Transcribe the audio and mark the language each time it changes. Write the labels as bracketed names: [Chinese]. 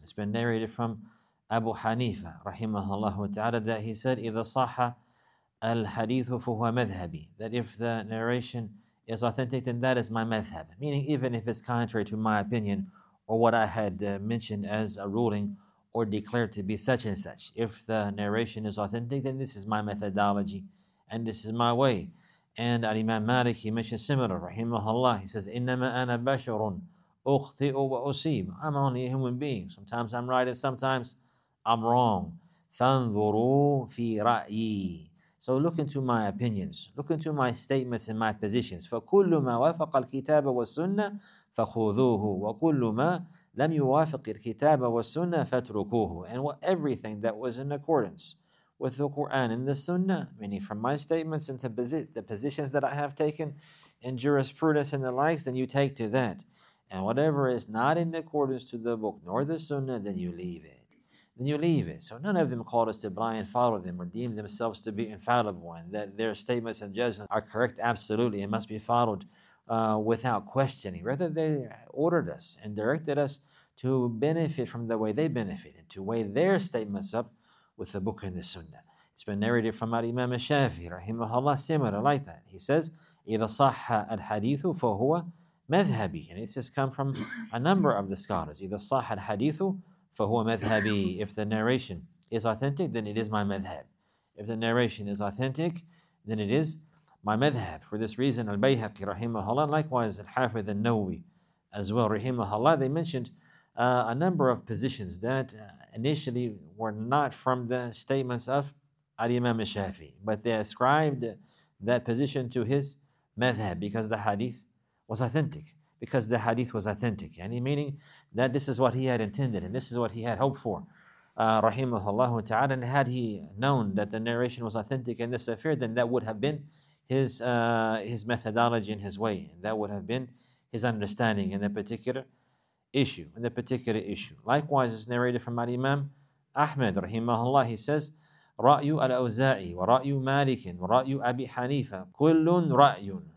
[English] It's been narrated from Abu Hanifa, rahimahullah ta'ala, that he said, [Arabic] إِذَا صَحَّ الْحَدِيثُ فُهُوَ مَذْهَبِي, [English] that if the narration is authentic, then that is my madhab. Meaning, even if it's contrary to my opinion or what I had mentioned as a ruling or declared to be such and such, if the narration is authentic, then this is my methodology and this is my way. And Al-Imam Malik, he mentioned similar, rahimahullah. He says, [Arabic] إِنَّمَا أَنَا بَشَرٌ أُخْطِئُ وَأُصِيبُ. [English] I'm only a human being. Sometimes I'm right and sometimes I'm wrong. [Arabic] فَانْظُرُوا فِي رَأْيِي. [English] So look into my opinions, look into my statements and my positions. [Arabic] فَكُلُّ مَا وَافَقَ الْكِتَابَ وَالسُّنَّةِ فَخُذُوهُ وَكُلُّ مَا لَمْ يُوَافِقِ الْكِتَابَ وَالسُّنَّةِ فَاتْرُكُوهُ. [English] And what, everything that was in accordance with the Quran and the Sunnah, meaning from my statements and the positions that I have taken in jurisprudence and the likes, then you take to that. And whatever is not in accordance to the book nor the Sunnah, then you leave it. Then you leave it. So none of them called us to blind and follow them or deem themselves to be infallible and that their statements and judgments are correct absolutely and must be followed without questioning. Rather, they ordered us and directed us to benefit from the way they benefited, to weigh their statements up with the book and the Sunnah. It's been narrated from Al-Imam al-Shafi, rahimahullah, similar like that. He says, [Arabic] إِذَا صَحَّ الْحَدِيثُ فَهُوَ مَذْهَبِي. [English] And this has come from a number of the scholars. [Arabic] إِذَا صَحَّ الْحَدِيثُ فَهُوَ مَذْهَبِي. [English] If the narration is authentic, then it is my madhab. If the narration is authentic, then it is my madhab. For this reason, Al-Bayhaqi, rahimahullah, likewise Al-Hafidh al-Nawwi as well, rahimahullah, they mentioned a number of positions that initially were not from the statements of Al-Imam al-Shafi, but they ascribed that position to his madhab because the hadith was authentic. Because the hadith was authentic, any meaning that this is what he had intended and this is what he had hoped for, rahimahullah ta'ala. And had he known that the narration was authentic in this affair, then that would have been his methodology and his way, and that would have been his understanding in that particular issue. Likewise, it's narrated from Al-Imam Ahmad, rahimahullah. He says, [Arabic] رأي الأوزاعي ورأي مالك ورأي أبي حنيفة كل رأي.